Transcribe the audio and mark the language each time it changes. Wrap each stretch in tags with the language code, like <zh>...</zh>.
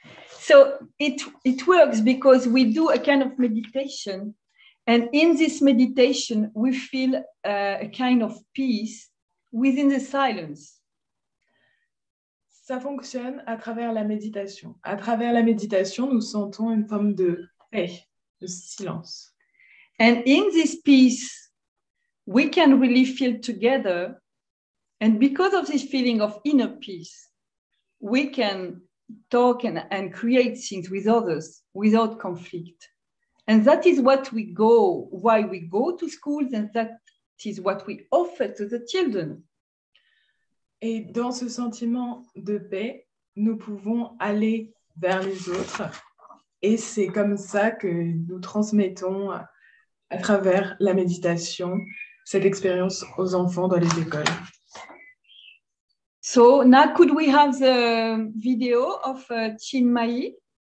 <en>So, it works because we do a kind of meditation. And in this meditation, we feel a kind of peace within the silence.</en> <fr>Ça fonctionne à travers la méditation. À travers la méditation, nous sentons une forme de paix, de silence.</fr> <en>And in this peace, we can really feel together. And because of this feeling of inner peace, we can talk and create things with others without conflict. And that is what we go, why we go to schools, and that is what we offer to the children.</en> <fr>Et dans ce sentiment de paix, nous pouvons aller vers les autres. Et c'est comme ça que nous transmettons à travers la méditation cette expérience aux enfants dans les écoles.</fr> <en>So now could we have the video of Chinmayi?</en>